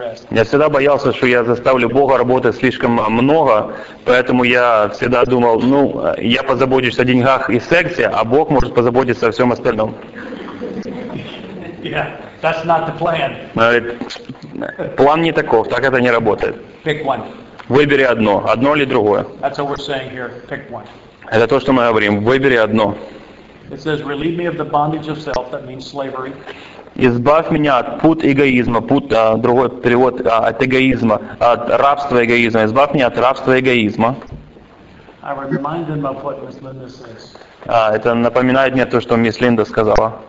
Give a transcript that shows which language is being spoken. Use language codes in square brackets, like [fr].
[ru] Я всегда боялся, что я заставлю Бога работать слишком много, поэтому я всегда думал, ну, я позабочусь о деньгах и сексе, а Бог может позаботиться о всем остальном. [en] Yeah, that's not the plan. [ru] План не таков, так это не работает. [en] Pick one. [ru] Выбери одно, одно или другое. [en] That's what we're saying here. Pick one. [ru] Это то, что мы говорим, выбери одно. [en] It says, "Relieve me of the bondage of self." That means slavery. [ru] Избавь меня от пут эгоизма, пут другой перевод от эгоизма, от рабства эгоизма. Избавь меня от рабства эгоизма. [en] I remind them of what Miss Linda says. [ru] Это напоминает мне то, что мисс Линда сказала.